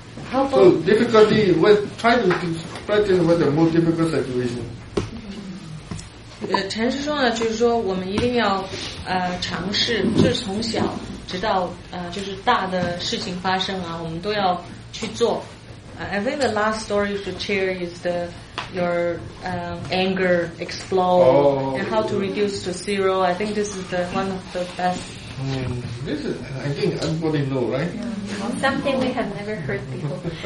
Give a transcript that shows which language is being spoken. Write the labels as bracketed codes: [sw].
[en] So difficulty, try to practice with the most difficult situation. [zh] 陈师兄呢，就是说我们一定要尝试，就是从小直到就是大的事情发生啊，我们都要去做。 [en] I think the last story to share is the your anger explode and how to reduce to zero. I think this is the one of the best. This is, I think everybody know, right? Yeah. Something we have never heard before.